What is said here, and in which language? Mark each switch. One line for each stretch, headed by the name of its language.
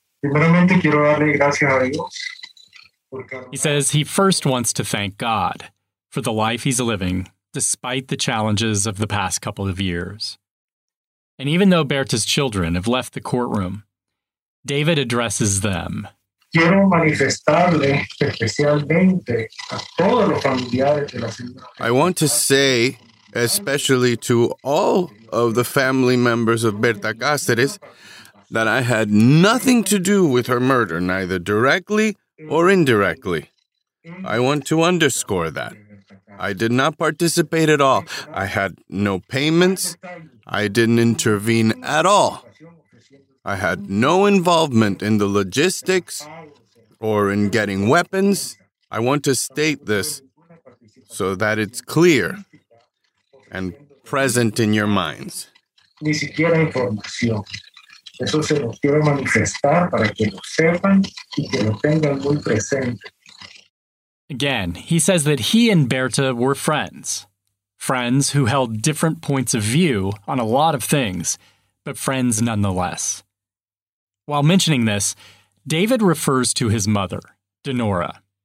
Spanish: Primeramente, quiero darle gracias a Dios.
English: He says he first wants to thank God for the life he's living, despite the challenges of the past couple of years. And even though Berta's children have left the courtroom, David addresses them.
Spanish: Quiero manifestarle especialmente a todos los familiares de la señora.
English: I want to say, especially to all of the family members of Berta Cáceres, that I had nothing to do with her murder, neither directly or indirectly. I want to underscore that. I did not participate at all. I had no payments. I didn't intervene at all. I had no involvement in the logistics or in getting weapons. I want to state this so that it's clear and present in your minds.
Spanish: Ni siquiera información. Eso se lo quiero manifestar para que lo sepan y que lo tengan muy presente.
English: Again, he says that he and Berta were friends. Friends who held different points of view on a lot of things, but friends nonetheless. While mentioning this, David refers to his mother, Denora.